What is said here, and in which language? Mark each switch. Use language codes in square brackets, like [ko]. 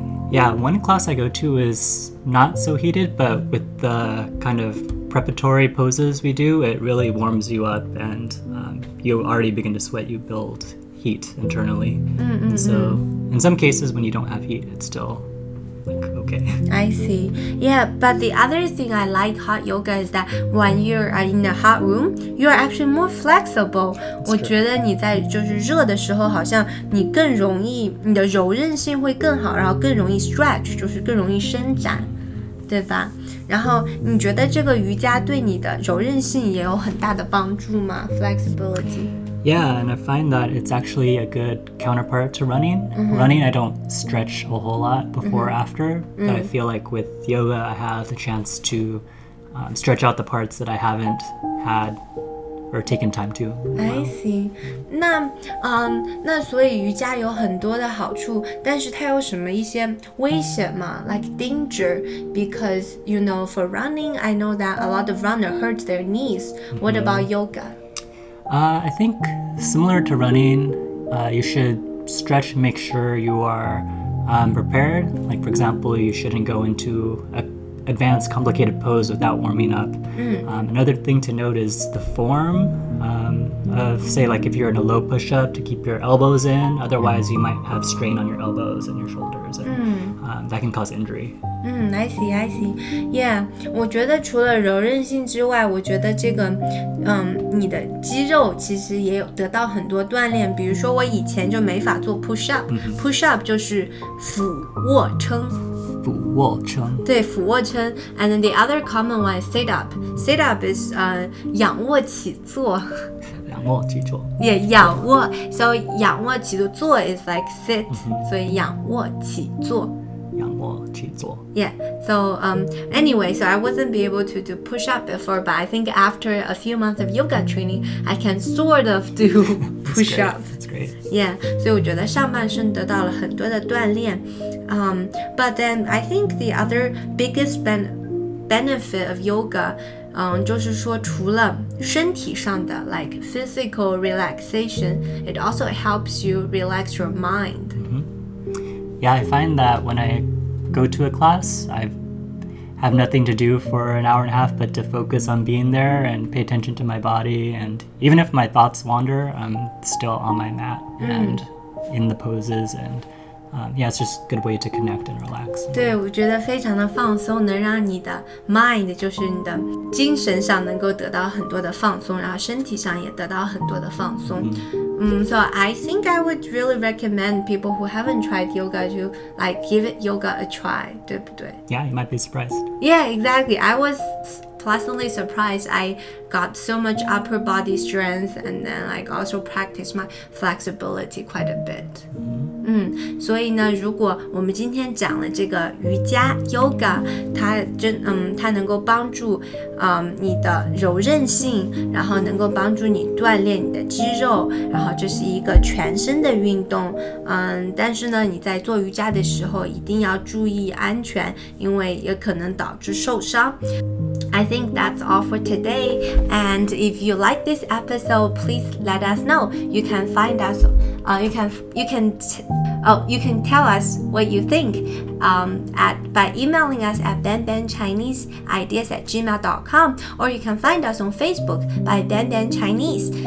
[en] Yeah, one class I go to is not so heated, but with the kind of preparatory poses we do, it really warms you up, and you already begin to sweat. You build heat internally, and so in some cases, when you don't have heat, it's still. Okay. I see. Yeah, but the other thing I like hot yoga is that when you're in a hot room, you're actually more flexible. [zh] 我觉得你在就是热的时候，好像你更容易，你的柔韧性会更好，然后更容易 stretch， 就是更容易伸展，对吧？然后你觉得这个瑜伽对你的柔韧性也有很大的帮助吗？ [en] Flexibility. Yeah, and I find that it's actually a good counterpart to running. Running, I don't stretch a whole lot before or after, but I feel like with yoga, I have the chance to stretch out the parts that I haven't had or taken time to. I see. [zh] 那那所以瑜伽有很多的好处，但是它有什么一些危险吗？ [en] Like danger, because, you know, for running, I know that a lot of runners hurt their knees. What about yoga? I think similar to running, you should stretch and make sure you are prepared. Like, for example, you shouldn't go into an advanced, complicated pose without warming up. Another thing to note is the form of, say, like if you're in a low push-up to keep your elbows in, otherwise you might have strain on your elbows and your shoulders, and that can cause injury. I see. [zh] Yeah, 我觉得除了柔韧性之外，我觉得这个，你的肌肉其实也有得到很多锻炼。比如说我以前就没法做 push up， push up 就是俯卧撑。俯卧撑。对，俯卧撑。 [en] And then the other common one is sit up. Sit up is 仰卧起坐。 [zh] 仰卧起坐。 Yeah, 仰卧。So 仰卧起坐，坐 is like sit. 所以仰卧起坐。仰卧起坐。 [en] Yeah, so anyway, so I wasn't be able to do push up before, but I think after a few months of yoga training, I can sort of do push up. That's great. [zh] Yeah, 所以我觉得上半身得到了很多的锻炼。 [en] But then I think the other biggest benefit of yoga, [zh] 就是说除了身体上的 [en] like physical relaxation, it also helps you relax your mind. Yeah, I find that when I go to a class, I have nothing to do for an hour and a half but to focus on being there and pay attention to my body. And even if my thoughts wander, I'm still on my mat and in the poses. And it's just a good way to connect and relax. [zh] 对，我觉得非常的放松，能让你的 mind 就是你的精神上能够得到很多的放松，然后身体上也得到很多的放松。 [en] So I think I would really recommend people who haven't tried yoga to like give it yoga a try, [zh] 对不对? [en] Yeah, you might be surprised. Yeah, exactly. I was pleasantly surprised. I got so much upper body strength and then like also practice my flexibility quite a bit. Mm-hmm. [zh] 所以呢，如果我们今天讲了这个瑜伽 yoga， 它能够帮助你的柔韧性，然后能够帮助你锻炼你的肌肉，然后这是一个全身的运动。但是呢，你在做瑜伽的时候一定要注意安全，因为也可能导致受伤。 [en] I think that's all for today. And if you like this episode, please let us know. You can find us, you can tell us what you think by emailing us at benbenchineseideas@gmail.com, or you can find us on Facebook by benbenchinese.